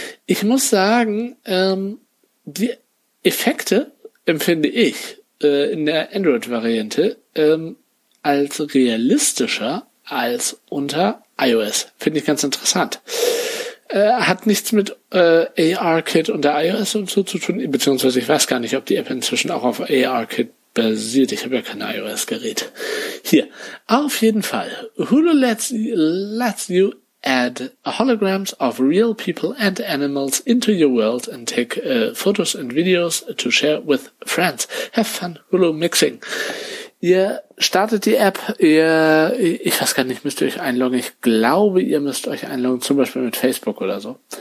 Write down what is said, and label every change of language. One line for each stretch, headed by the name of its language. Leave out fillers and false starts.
German: Ich muss sagen, die Effekte empfinde ich in der Android-Variante als realistischer als unter iOS. Finde ich ganz interessant. Hat nichts mit ARKit unter iOS und so zu tun, beziehungsweise ich weiß gar nicht, ob die App inzwischen auch auf ARKit basiert. Ich habe ja kein iOS-Gerät. Hier, auf jeden Fall.
English: Hulu lets you add holograms of real people and animals into your world and take photos and videos to share with friends. Have fun, Hulu Mixing.
German: Ihr startet die App, ich weiß gar nicht, müsst ihr euch einloggen. Ich glaube, ihr müsst euch einloggen, zum Beispiel mit Facebook oder so.